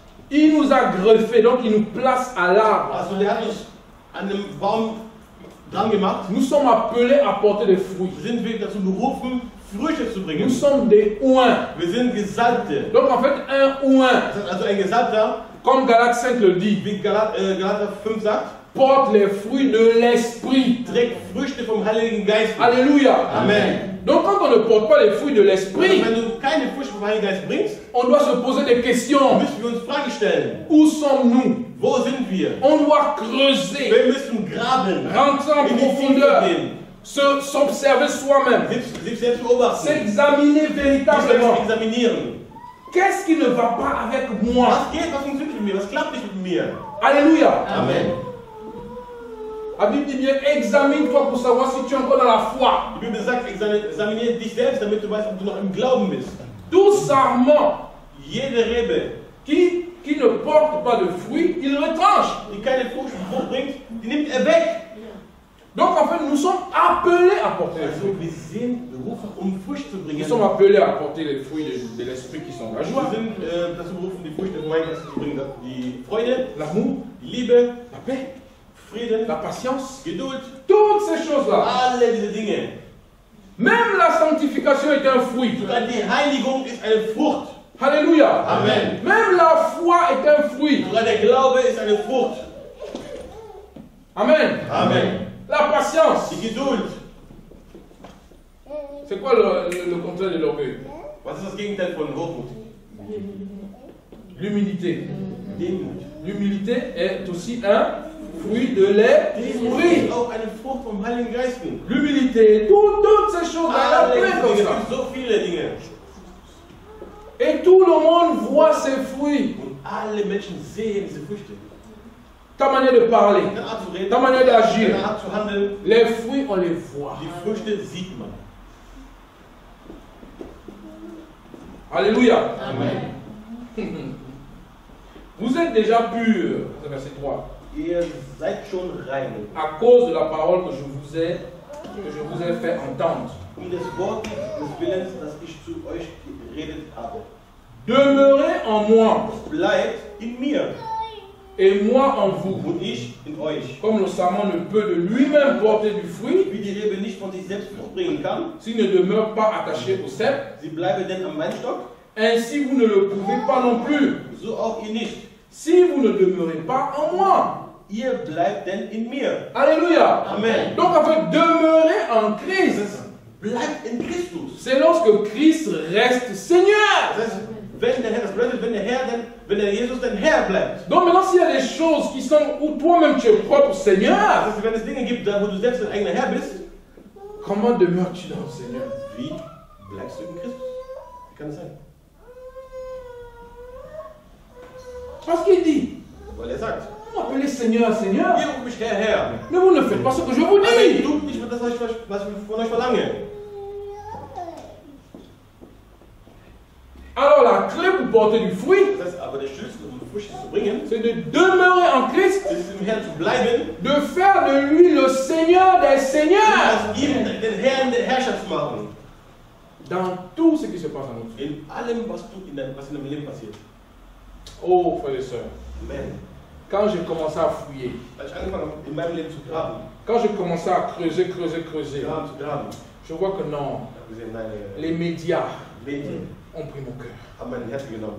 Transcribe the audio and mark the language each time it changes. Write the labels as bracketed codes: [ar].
[fr] il nous a greffé, donc il nous place à l'arbre. [de] Also er hat uns an dem Baum dran gemacht. [fr] Nous sommes appelés à porter des fruits. [de] Sind wir dazu berufen, Früchte zu bringen. [fr] Nous sommes des oints. [de] Wir sind Gesalbte. [fr] Donc en fait, un oint. [de] Also ein Gesalbter. [fr] Comme Galates 5 le dit. [de] Wie Galater 5 sagt. [fr] Porte les fruits de l'esprit. [de] Trägt Früchte vom Heiligen Geist. Alléluia. Amen. [fr] Donc quand on ne porte pas les fruits de l'esprit, [de] wenn du keine Früchte vom Heiligen Geist bringst, [fr] on doit se poser des questions. [de] Müssen wir uns Fragen stellen. [fr] Où sommes-nous? [de] Wo sind wir? [fr] On doit creuser. [de] Wir müssen graben. [fr] Rentrer en profondeur. S'observer soi-même. [de] Sich selbst beobachten. [fr] S'examiner véritablement. [de] Sich examinieren. [fr] Qu'est-ce qui ne va pas avec moi? [de] Was geht, was funktioniert mit mir? Was klappt nicht mit mir? Alléluia. Amen. [fr] La Bible dit bien, examine-toi pour savoir si tu es encore dans la foi. La Bible dit [de] examine dich selbst, damit du weißt, ob du noch im Glauben bist. [fr] Tout sarment, [de] jede Rebe, [fr] qui ne porte pas de fruits, il retranche. [de] Die keine Frucht bringt, die nimmt er weg. [fr] Donc en fait, nous sommes appelés à porter les fruits. [de] Wir sind berufen, Früchte zu bringen. [fr] Nous sommes appelés à porter les fruits de l'esprit qui sont la joie. [de] Wir sind dazu berufen, die Früchte vom Heiligen Geist zu bringen. Die Freude, [fr] l'amour, [de] die Liebe, [fr] la paix. [de] Frieden, [fr] la patience, [de] Geduld, [fr] toutes ces choses-là. [de] Alle diese Dinge. [fr] Même la sanctification est un fruit. [de] Sogar die Heiligung ist eine Frucht. Alléluia. Amen. [fr] Même la foi est un fruit. [de] Sogar der Glaube ist eine Frucht. Amen. Amen. [fr] La patience. [de] Die Geduld. [fr] C'est quoi le contraire de l'orgueil? [de] Was ist das Gegenteil von Hochmut? [fr] L'humilité. [de] Demut. [fr] L'humilité est aussi un fruit de l'esprit. [de] Auch eine Frucht vom Heiligen Geist. [fr] L'humilité, toutes ces choses, il y a plein comme ça. [de] So viele Dinge. [fr] Et tout le monde voit ces fruits. [de] Und alle Menschen sehen diese Früchte. [fr] Ta manière de parler, [de] reden, [fr] ta manière d'agir, [de] handeln, [fr] les fruits, on les voit. [de] Die Früchte sieht man. Alléluia. Amen. [fr] Vous êtes déjà pur, verset 3. [de] Ihr seid schon rein. [fr] À cause de la parole que je vous ai fait entendre. [de] Um des Wortes des Willens, das ich zu euch geredet habe. [fr] Demeurez en moi. [de] Bleibt in mir. [fr] Et moi en vous. [de] Und ich in euch. [fr] Comme le sarment ne peut de lui-même porter du fruit. [de] Wie die Rebe nicht von sich selbst Frucht bringen kann. [fr] S'il ne demeure pas attaché au cep. [de] Sie bleiben denn am Weinstock. [fr] Ainsi vous ne le pouvez pas non plus. [de] So auch ihr nicht. [fr] Si vous ne demeurez pas en moi. [de] Ihr bleibt denn in mir. Alléluia. Amen. [fr] Donc en fait, demeurer en Christ. [de] Bleibt in Christus. [fr] C'est lorsque Christ reste Seigneur. [de] Wenn der Herr das bleibt, wenn der Herr denn, wenn der Jesus denn Herr bleibt. [fr] Donc maintenant, s'il y a des choses qui sont où toi-même tu es propre Seigneur. [de] Wenn es Dinge gibt, wo du selbst dein eigener Herr bist. [fr] Comment demeures-tu dans le Seigneur? [de] Wie bleibst du in Christus? Wie kann das sein? [fr] Parce qu'il dit, [de] weil er sagt, [fr] appelez Seigneur, Seigneur. [de] Ihr ruft mich Herr, Herr. [fr] Mais vous ne faites pas ce que je vous dis. [de] Aber ihr tut nicht das, was ich von euch verlange. [fr] Alors la clé pour porter du fruit, [de] das heißt, aber der Schlüssel, um Früchte zu bringen, [fr] c'est de demeurer en Christ, [de] ist im Herrn zu bleiben, [fr] de faire de lui le Seigneur des Seigneurs, [de] und ihm den Herrn der Herrschaft zu machen. [fr] Dans tout ce qui se passe en nous. [de] In allem, was in deinem Leben passiert. [fr] Oh, frères et sœurs. Amen. Quand j'ai commencé à fouiller, quand j'ai commencé à creuser, je vois que non, les médias ont pris mon cœur.